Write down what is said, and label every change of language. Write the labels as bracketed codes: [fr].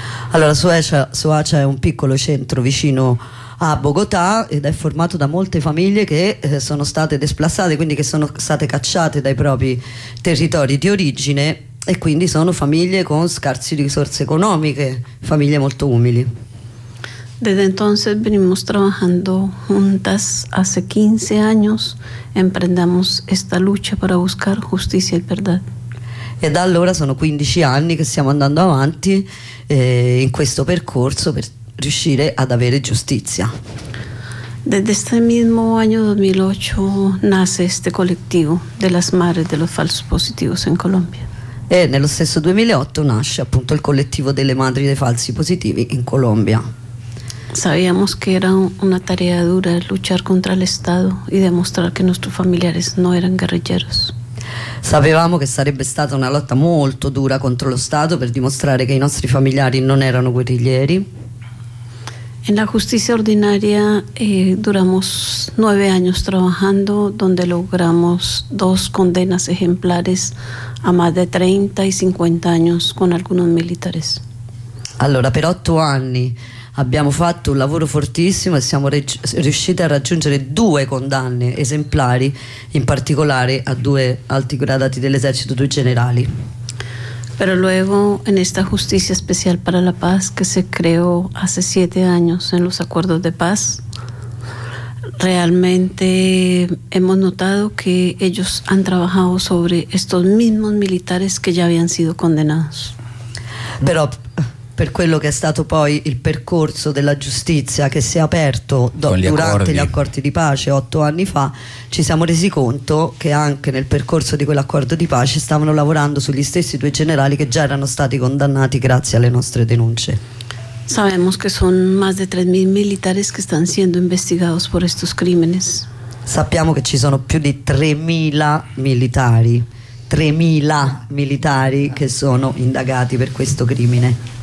[it] Allora, Soacha è un piccolo centro vicino a Bogotà ed è formato da molte famiglie che sono state desplazate, quindi che sono state cacciate dai propri territori di origine e quindi sono famiglie con scarse risorse economiche, famiglie molto umili. [es] Desde entonces venimos trabajando juntas hace 15 años, emprendamos esta lucha para buscar justicia y verdad. [it] E da allora sono 15 anni che stiamo andando avanti in questo percorso per riuscire ad avere giustizia. [es] Desde este mismo año 2008 nace este colectivo de las madres de los falsos positivos en Colombia. [it] E nello stesso 2008 nasce appunto il collettivo delle madri dei falsi positivi in Colombia. [es] Sabíamos que era una tarea dura luchar contra el Estado y demostrar que nuestros familiares no eran guerrilleros. [it] Sabíamos que sarebbe stata una lotta molto dura contro lo Stato per dimostrare che i nostri familiari non erano guerriglieri. [es] En la justicia ordinaria duramos 9 años trabajando, donde logramos 2 condenas ejemplares a más de 30 y 50 años con algunos militares. [it] Allora, per 8 anni abbiamo fatto un lavoro fortissimo e siamo riusciti a raggiungere 2 condanne esemplari, in particolare a 2 alti gradati dell'esercito, 2 generali. [es] Pero luego, en esta justicia especial para la paz que se creó hace 7 años en los acuerdos de paz, realmente hemos notado que ellos han trabajado sobre estos mismos militares que ya habían sido condenados. [it] Pero per quello che è stato poi il percorso della giustizia che si è aperto durante gli accordi di pace 8 anni fa, ci siamo resi conto che anche nel percorso di quell'accordo di pace stavano lavorando sugli stessi 2 generali che già erano stati condannati grazie alle nostre denunce. [es] Sabemos que son más de 3.000 militares que están siendo investigados por estos crímenes. [it] Sappiamo che ci sono più di 3.000 militari, 3.000 militari che sono indagati per questo crimine.